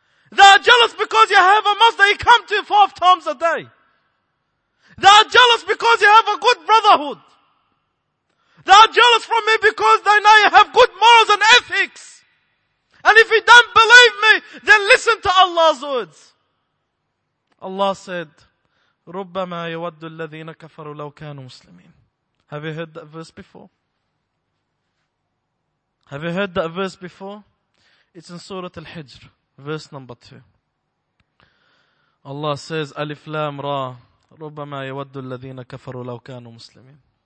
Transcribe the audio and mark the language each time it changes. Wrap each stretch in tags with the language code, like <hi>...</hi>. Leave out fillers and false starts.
<en>They are jealous because you have a mosque that you come to 5 times a day. They are jealous because you have a good brotherhood. They are jealous from me because they know you have good morals and ethics. And if you don't believe me, then listen to Allah's words. Allah said,</en> <ar>رُبَّمَا يَوَدُّ الَّذِينَ كَفَرُوا لَوْ كَانُوا مُسْلِمِينَ.</ar> <en>Have you heard that verse before? Have you heard that verse before? It's in Surah Al-Hijr, verse number 2. Allah says, Alif Lam Ra, Rubbama yawaddu alladhina kafaru law kanu muslimin.</en>